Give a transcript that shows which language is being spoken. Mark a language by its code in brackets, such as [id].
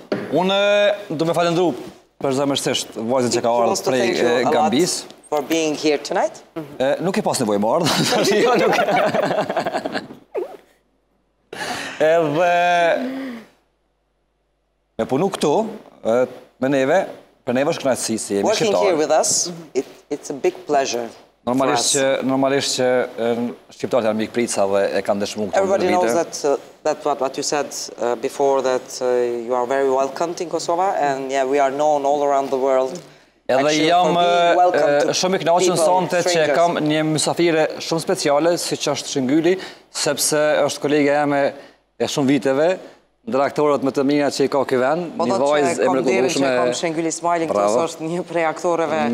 [sq] Unë do me falendru për zemërsisht vajzën që ka ardhë prej Gambis. [en] For being here tonight? [sq] Nuk e pas nevojë më ardhë, tashi jo nuk... Edhe... Me punu këtu, me neve, për neve është knajtësi, si jemi shqiptarë. [en] Working here with us, it's a big pleasure for us. [sq] Normalisht që shqiptarët janë mikë pritësa dhe e kanë dëshmu këtu në vitë. [en] Everybody knows that what you said before, that you are very welcomed in Kosovo, and yeah, we are known all around the world. [sq] Edhe jam shumë I kënaqur sonte që kam një mysafire shumë speciale, si që është Shengyli, sepse është kolega jeme e shumë viteve, ndër aktorët më të mira që I ka këtë vend, një vajzë e mrekullueshme. Po do të kam Shengyl Ismaili, këtës është një prej aktoreve